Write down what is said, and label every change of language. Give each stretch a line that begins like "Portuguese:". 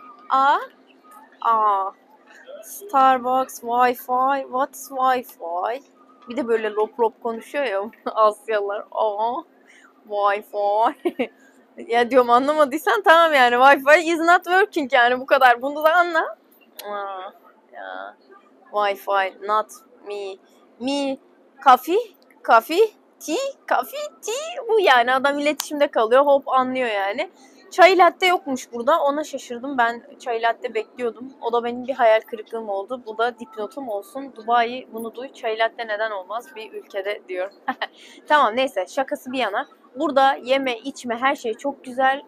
English: Aa? Aa. Starbucks Wi-Fi. What's Wi-Fi?"
Turkish: Bir de böyle lop lop konuşuyor ya Asyalılar. "Aa. Wi-Fi." Ya diyorum, anlamadıysan tamam yani,
English: Wi-Fi is not working
Turkish: yani, bu kadar, bunu da anla.
English: Aa, ya. Wi-Fi not me. Me coffee, coffee tea, coffee tea.
Turkish: Bu yani adam iletişimde kalıyor, hop anlıyor yani. Çay latte yokmuş burada, ona şaşırdım. Ben çay latte bekliyordum. O da benim bir hayal kırıklığım oldu. Bu da dipnotum olsun. Dubai bunu duy, çay latte neden olmaz bir ülkede diyorum. Tamam, neyse, şakası bir yana. Burada yeme içme her şey çok güzel.